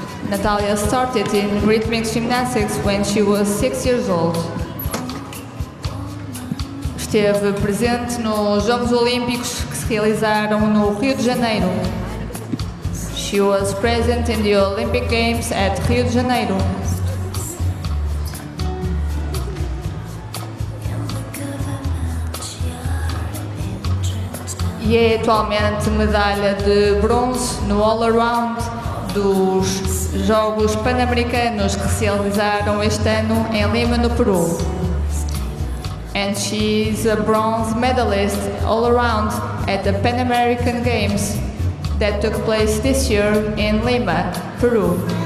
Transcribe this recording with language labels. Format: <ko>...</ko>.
<en>Natália started in rhythmic gymnastics when she was 6 years old.</en> <pt>Esteve presente nos Jogos Olímpicos que se realizaram no Rio de Janeiro.</pt> <en>She was present in the Olympic Games at Rio de Janeiro.</en> <pt>E é atualmente medalha de bronze no all-around dos Jogos Pan-Americanos que se realizaram este ano em Lima, no Peru.</pt> <en>And she's a bronze medalist all-around at the Pan-American Games that took place this year in Lima, Peru.</en>